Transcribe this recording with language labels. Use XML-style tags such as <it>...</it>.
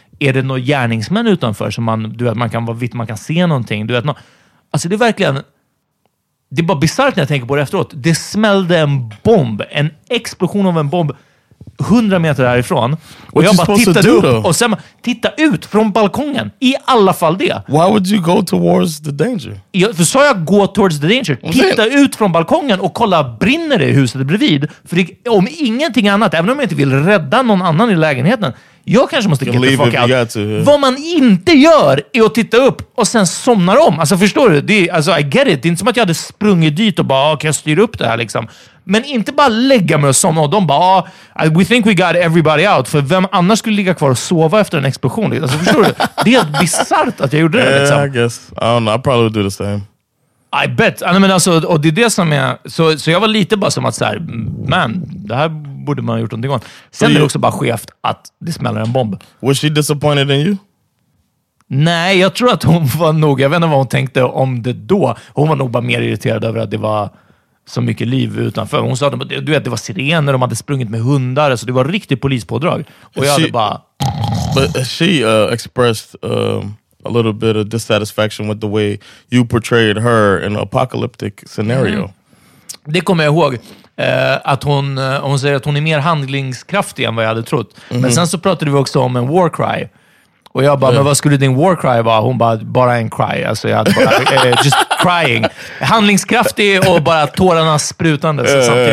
<sv>Är det några gärningsmän utanför som man, du vet, man kan vara vitt, man kan se någonting? Du vet, alltså det är verkligen, det är bara bizarrt när jag tänker på det efteråt. Det smällde en bomb, en explosion av en bomb. 100 meter härifrån. Och jag bara tittade upp och sen titta ut från balkongen. I alla fall det.</sv> <en>Why would you go towards the danger?</en> <sv>För sa jag gå</sv> <en>towards the danger.</en> <sv>Titta ut från balkongen och kolla, brinner det i huset bredvid? För det, om ingenting annat, även om jag inte vill rädda någon annan i lägenheten. Jag kanske måste</sv> <en>get the fuck out.</en> <sv>Vad man inte gör är att titta upp och sen somnar om. Alltså förstår du? Det är, alltså,</sv> <en>I get it.</en> <sv>Det är inte som att jag hade sprungit dit och bara, kan jag styra upp det här liksom. Men inte bara lägga mig och somna. Och de bara,</sv> <en>oh, we think we got everybody out.</en> <sv>För vem annars skulle ligga kvar och sova efter en explosion? Alltså, förstår du? Det är bizarrt att jag gjorde det. Liksom.</sv> <en>I guess. I don't know. I probably would do the same. I bet. I mean,</en> <sv>alltså, och det är det som jag... Så jag var lite bara som att så här, man, det här borde man ha gjort någonting om. Sen är det också bara skevt att det smäller en bomb.</sv> <en>Was she disappointed in you?</en> <sv>Nej, jag tror att hon var nog... Jag vet inte vad hon tänkte om det då. Hon var nog bara mer irriterad över att det var... Så mycket liv utanför. Hon sa att det var sirener. De hade sprungit med hundar. Så det var riktigt polispådrag. Och jag hade bara...</sv> <en>But she expressed a little bit of dissatisfaction with the way you portrayed her in an apocalyptic scenario.</en> <sv>Det kommer jag ihåg. Att hon säger att hon är mer handlingskraftig än vad jag hade trott. Mm-hmm. Men sen så pratade vi också om en war cry. Och jag bara, men vad skulle din war cry vara? Hon bara en cry. Alltså jag hade bara, just crying. Handlingskraftig och bara tårarna sprutande.</sv>